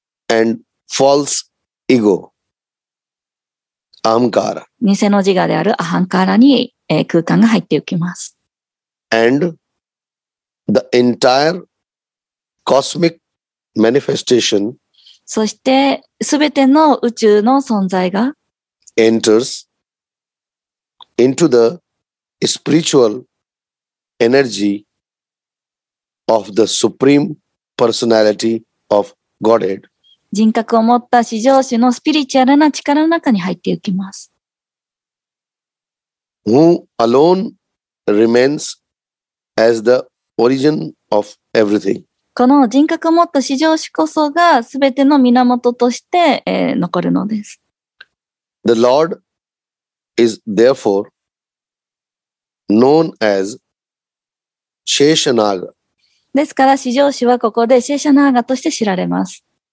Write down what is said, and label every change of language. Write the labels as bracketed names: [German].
[English] and false ego. アハンカーラ。 [Japanese] 偽の自我であるアハンカーラに空間が入っていきます。 [English] and the entire cosmic manifestation. [Japanese] そして、すべての宇宙の存在が [English] enters into the spiritual energy of the supreme personality of Godhead. [Japanese] 人格を持った至上主のスピリチュアルな力の中に入っていきます。 [English] Who alone remains as the origin of everything. [Japanese] この人格を持った至上主こそがすべての源として、残るのです。 [English] The Lord is therefore known as Sheshanaga. [Japanese] ですから至上主はここでシェシャナーガとして知られます。